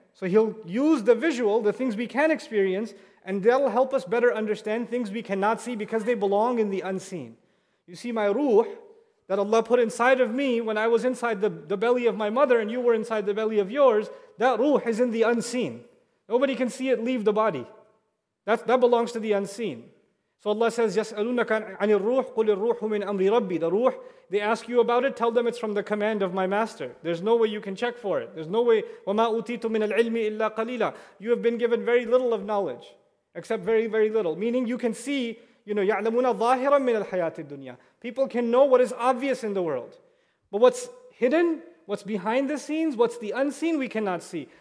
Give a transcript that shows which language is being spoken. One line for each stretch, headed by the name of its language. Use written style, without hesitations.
English: So He'll use the visual, the things we can experience, and that'll help us better understand things we cannot see because they belong in the unseen. You see, my ruh that Allah put inside of me when I was inside the belly of my mother and you were inside the belly of yours, that ruh is in the unseen. Nobody can see it leave the body. That belongs to the unseen. So Allah says,
Arabic: يَسْأَلُونَكَ عَنِ الرُّوحِ قُلِ الرُّوحُ مِنْ أَمْرِ رَبِّي.
English: The ruh, they ask you about it, tell them it's from the command of my master. There's no way you can check for it. There's no way.
Arabic: وَمَا أُوتِيتُ مِنَ الْعِلْمِ إِلَّا قَلِيلًا.
English: You have been given very little of knowledge, except very, very little. Meaning you can see, you know,
Arabic: يَعْلَمُونَ ظَاهِرًا مِنَ الْحَيَاةِ الدُّنْيَا.
English: People can know what is obvious in the world. But what's hidden, what's behind the scenes, what's the unseen, we cannot see.